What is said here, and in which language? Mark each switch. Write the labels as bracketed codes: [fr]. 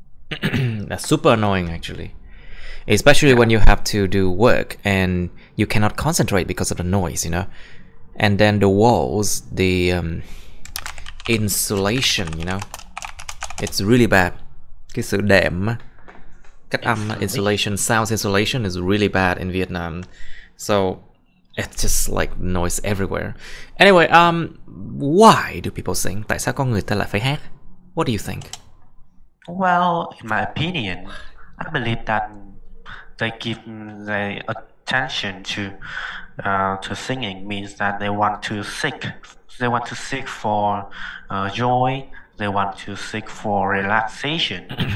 [en] That's super annoying, actually. Especially when you have to do work and you cannot concentrate because of the noise, you know? And then the walls, the insulation, you know? It's really bad. [vi] Cái sự đệm, cách âm insulation, [en] Insulation. sound insulation is really bad in Vietnam. So it's just like noise everywhere. Anyway, why do people sing? [vi] Tại sao con người ta lại phải hát? [en] What do you think? Well, in my opinion, I believe that they give the attention to singing means that they want to seek for joy, they want to seek for relaxation.